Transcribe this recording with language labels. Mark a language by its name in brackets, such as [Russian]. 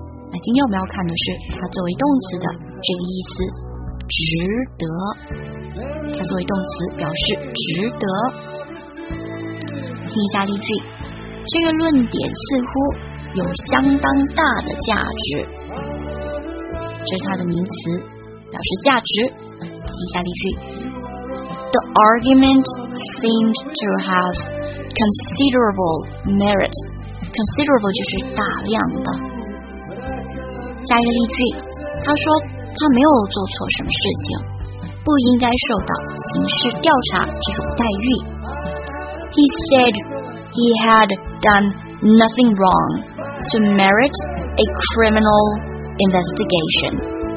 [Chinese] 那今天我们要看的是它作为动词的这个意思，值得，它作为动词表示值得。听一下例句，这个论点似乎有相当大的价值，这是它的名词，表示价值。听一下例句， [English] The argument seemed to have considerable merit. [Chinese] Considerable 就是大量的。下一个例句，他说他没有做错什么事情，不应该受到刑事调查这种待遇。 [English] He said he had done nothing wrong to merit a criminal investigation.